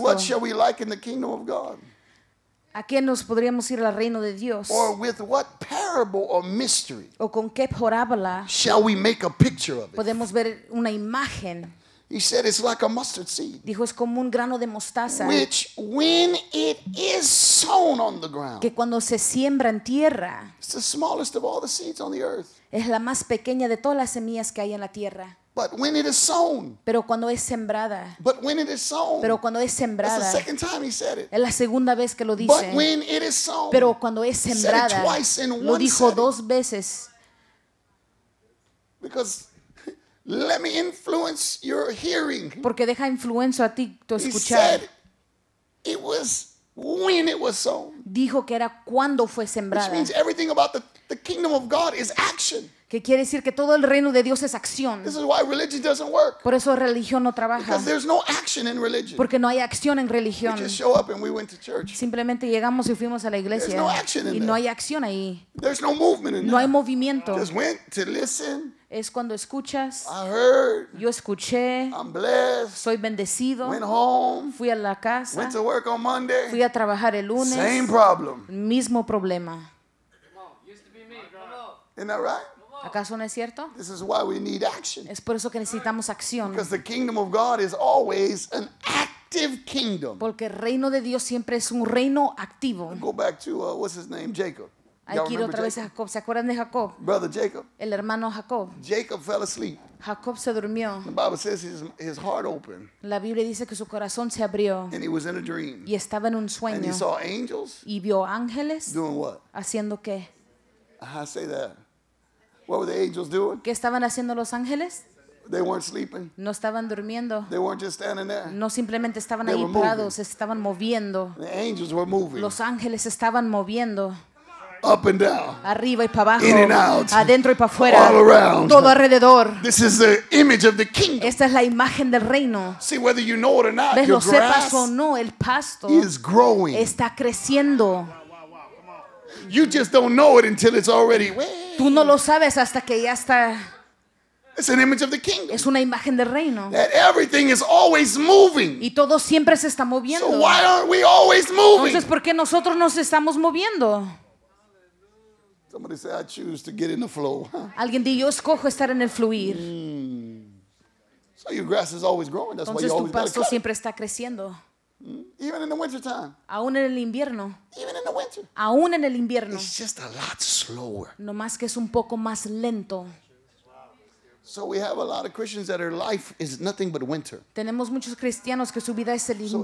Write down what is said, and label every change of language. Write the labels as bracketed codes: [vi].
[en] What shall we liken the kingdom of God? [es] ¿A qué nos podríamos ir al reino de Dios? [en] Or with what parable or mystery? [es] ¿O con qué parábola? [en] Shall we make a picture of it? [es] Podemos ver una imagen. [en] He said it's like a mustard seed. [es] Dijo es como un grano de mostaza. [en] Which when it is sown on the ground. [es] Que cuando se siembra en tierra. [en] It's the smallest of all the seeds on the earth. [es] Es la más pequeña de todas las semillas que hay en la tierra. [en] But when it is sown. [es] Pero cuando es sembrada. [en] But when it is sown. [es] Pero cuando es sembrada. [en] That's the second time he said it. [es] Es la segunda vez que lo dice. [en] But when it is sown. [es] Pero cuando es sembrada. [en] Said it twice in one [es] lo dijo [en] setting. [es] Dos veces. [en] Because let me influence your hearing. [es] Porque deja influencia a ti tu escuchar. [en] He said it was when it was sown. [es] Dijo que era cuando fue sembrada. [en] Which means everything about the kingdom of God is action. [es] Que quiere decir que todo el reino de Dios es acción. [en] This is why religion doesn't work. [es] Por eso religión no trabaja. [en] Because there's no action in religion. [es] Porque no hay acción en religión. [en] We just show up and we went to church. [es] Simplemente llegamos y fuimos a la iglesia. [en] There's no action in [es] y [en] there. [es] No hay acción ahí. [en] There's no movement in [es] no hay movimiento. [en] Just went to listen. [es] Es cuando escuchas. [en] I heard. [es] Yo escuché. [en] I'm blessed. [es] Soy bendecido. [en] Went home. [es] Fui a la casa. [en] Went to work on Monday. [es] Fui a trabajar el lunes. [en] Same problem. [es] Mismo problema. [en] Isn't that right? [es] ¿Acaso no es cierto? [en] This is why we need action. [es] Es por eso que necesitamos acción. [en] Because the kingdom of God is always an active kingdom. [es] Porque el reino de Dios siempre es un reino activo. [en] Go back to what's his name, Jacob. [es] Hay que ir otra vez a Jacob. ¿Se acuerdan de Jacob? [en] Brother Jacob. [es] El hermano Jacob. [en] Jacob fell asleep. [es] Jacob se durmió. [en] The Bible says his heart opened. [es] La Biblia dice que su corazón se abrió. [en] And he was in a dream. [es] Y estaba en un sueño. [en] And he saw angels. [es] Y vio ángeles. [en] Doing what? [es] Haciendo qué? [en] I say that. What were the angels doing? [es] ¿Qué estaban haciendo los ángeles? [en] They weren't sleeping. [es] No estaban durmiendo. [en] They weren't just standing there. [es] No simplemente estaban ahí parados, estaban moviendo. [en] The angels were moving. [es] Los ángeles estaban moviendo. [en] Up and down. [es] Arriba y para abajo. [en] In and out. [es] Adentro y para afuera. [en] All around. [es] Todo alrededor. [en] This is the image of the kingdom. [es] Esta es la imagen del reino. [en] See, whether you know it or not, [es] ¿ves? [en] Your grass [es] o no, el pasto [en] is growing. [es] Está creciendo. [en] You just don't know it until it's already. [es] Tú no lo sabes hasta que ya está. [en] It's an image of the kingdom. [es] Es una imagen del reino. [en] That everything is always moving. [es] Y todo siempre se está moviendo. [en] So why aren't we always moving? [es] Entonces, ¿por qué nosotros nos estamos moviendo? [en] Somebody say, I choose to get in the flow. [es] Alguien dijo, yo escojo estar en el fluir. [en] So your grass is always growing. That's [es] entonces, [en] why you always gotta cut. [es] Tu pasto siempre está creciendo. [en] Even in the winter time. [es] Aún en el invierno. [en] Even in the winter. [es] Aún en el invierno. [en] It's just a lot slower. [es] No más que es un poco más lento. [en] So we have a lot of Christians that their life is nothing but winter. [es] Tenemos muchos cristianos que su vida es el invierno.